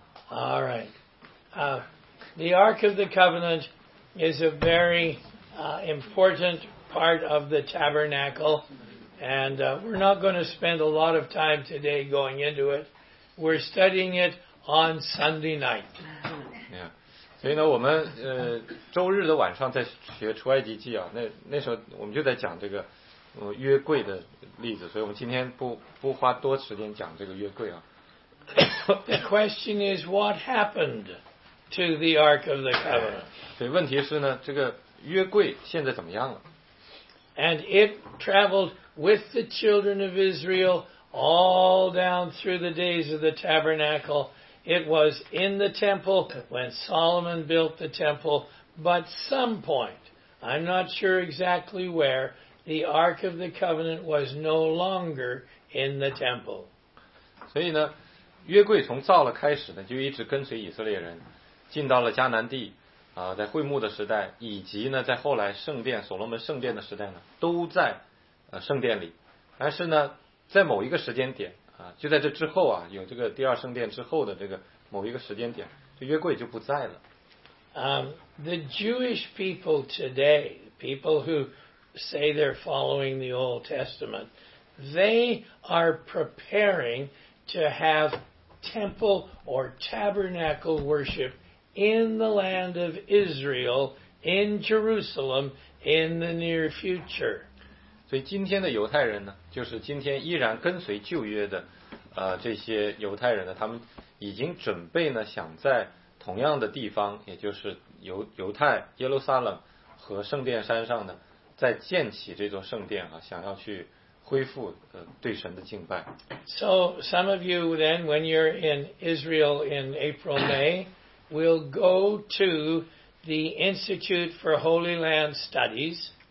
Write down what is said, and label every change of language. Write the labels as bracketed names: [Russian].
[English] All right. The Ark of the Covenant is a very important part of the tabernacle. And we're not going to spend a lot of time today going into it. We're studying it on Sunday night. Yeah. [Chinese] 所以呢，我们周日的晚上在学出埃及记啊，那时候我们就在讲这个约柜的例子，所以我们今天不花多时间讲这个约柜啊。 [English] The question is what happened to the Ark of the Covenant？ [Chinese] 所以问题是呢，这个约柜现在怎么样了 [English] ？And it traveled with the children of Israel all down through the days of the tabernacle。 It was in the temple when Solomon built the temple, but some point, I'm not sure exactly where, the Ark of the Covenant was no longer in the temple. [Chinese] 所以呢，约柜从造了开始呢，就一直跟随以色列人，进到了迦南地，在会幕的时代，以及呢，在后来圣殿，所罗门圣殿的时代呢，都在圣殿里。但是呢，在某一个时间点，就在这之后啊，有这个第二圣殿之后的这个某一个时间点，这约柜就不在了。 [English] The Jewish people today, people who say they're following the Old Testament, they are preparing to have temple or tabernacle worship in the land of Israel, in Jerusalem, in the near future. [Chinese] 所以今天的犹太人呢，就是今天依然跟随旧约的这些犹太人呢，他们已经准备呢，想在同样的地方，也就是犹太耶路撒冷和圣殿山上呢，再建起这座圣殿啊，想要去恢复对神的敬拜。 [English] So some of you then, when you're in Israel in April, May, will go to the Institute for Holy Land Studies.